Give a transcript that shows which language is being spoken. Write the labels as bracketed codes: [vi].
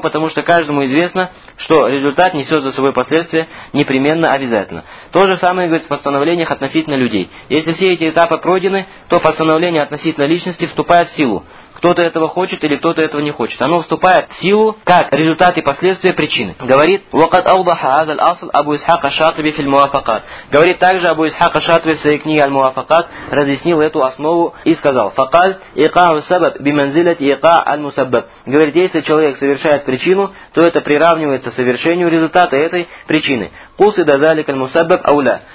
[ru] Потому что каждому известно, что результат несет за собой последствия непременно, обязательно. То же самое говорит в постановлениях относительно людей. Если все эти этапы пройдены, то постановление относительно личности вступает в силу. Кто-то этого хочет или кто-то этого не хочет. Оно вступает в силу как результат и последствия причины. Говорит, [ar] وَقَدْ أَوْضَحَ هَذَا الْأَصْلَ أَبُو إِسْحَاقَ الشَّاطِبِي فِي الْمُوَافَقَاتِ. [ru] Говорит, также Абу Исхак аш-Шатиби в своей книге «Аль-Муафакат» разъяснил эту основу и сказал, [ar] فَقَالْ إِقَاعُ السَّبَبْ بِمَنْزِلَةِ إِقَاعَ الْمُسَبَّبْ. [ru] Говорит, если человек совершает причину, то это приравнивается совершению результата этой причины. [ar] قُصِدَ ذَلِكَ الْمُسَبَّبْ أَوْ لَا.